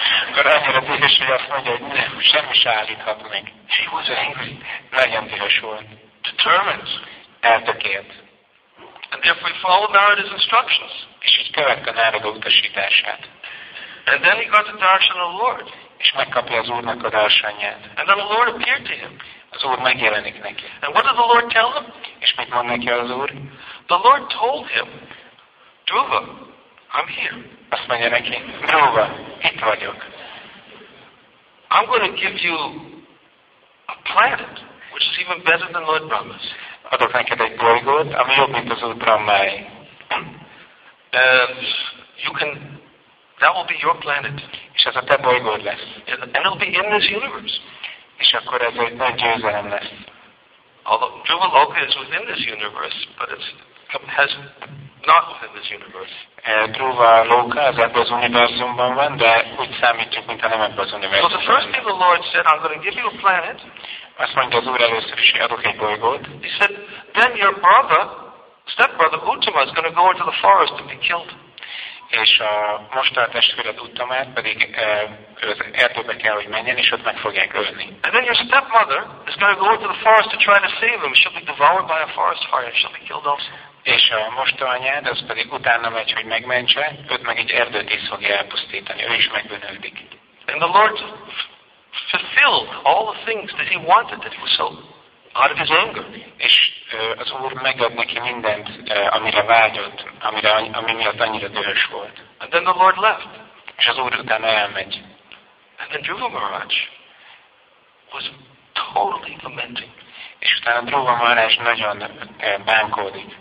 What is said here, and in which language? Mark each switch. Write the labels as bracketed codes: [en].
[hu] Akkor annyira dühös, hogy azt mondja, hogy nem, semmi se állíthat meg. [en] He was angry. [hu] Nagyon dühös volt. [en] Determined. [hu] Eltökélt. [en] And if we follow Narada's instructions. [hu] És így követte Narada utasítását. [en] And then he got the darshan of the Lord. [hu] És megkapja az Úrnak a darshanját. [en] And then the Lord appeared to him. [hu] Az Úr megjelenik neki. [en] And what did the Lord tell him? [hu] És mit mond neki az Úr? [en] The Lord told him, Dhruva, I'm here. [hu] Azt mondja neki, Dhruva, itt vagyok. [en] I'm going to give you a planet, which is even better than Lord Brahma's. [hu] Adok neked egy bolygót, ami jobb, mint az Úr Brahmáé. [en] And you can, that will be your planet. [hu] És ez a te bolygód lesz. [en] And it will be in this universe. [hu] És akkor ez egy nagy győzelem lesz. [en] Although Dhruva Loka is within this universe, but it's has not within this universe. [hu] Dhruva Loka az ebben az univerzumban van, de úgy számítjuk, mintha nem ebben az univerzumban. [en] So the first thing the Lord said, I'm going to give you a planet. [hu] Azt mondja az Úr először is, adok egy bolygót. [en] He said, then your brother, stepbrother Uttama is going to go into the forest and be killed. [hu] És a mostani testvéred Uttamát pedig az erdőbe kell, hogy menjen, és ott meg fogják ölni. [en] And then your stepmother is going to go into the forest to try to save him. She'll be devoured by a forest fire. She'll be killed also. [hu] És a mostanyád, az pedig utána megy, hogy megmentse, őt meg egy erdőt is fogja elpusztítani. Ő is megbűnődik. [en] And the Lord fulfilled all the things that he wanted that he was so out of his anger. [hu] És az Úr megad neki mindent, amire vágyott, amire, ami miatt annyira dühös volt. [en] And then the Lord left. [hu] És az Úr utána elmegy. [en] And then Dhruva Maharaj was totally lamenting. [hu] És utána Dhruva Maharaj nagyon bánkódik.